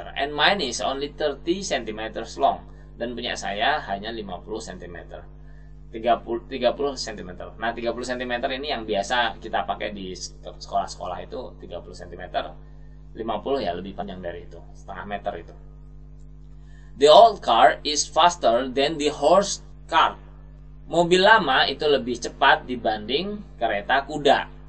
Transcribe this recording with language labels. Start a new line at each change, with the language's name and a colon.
English: And mine is only 30 cm long.
Indonesian: Dan punya saya hanya 50 cm. 30 cm. Nah, 30 cm ini yang biasa kita pakai di sekolah-sekolah itu 30 cm. 50 ya lebih panjang dari itu, setengah meter itu.
English: The old car is faster than the horse car.
Indonesian: Mobil lama itu lebih cepat dibanding kereta kuda.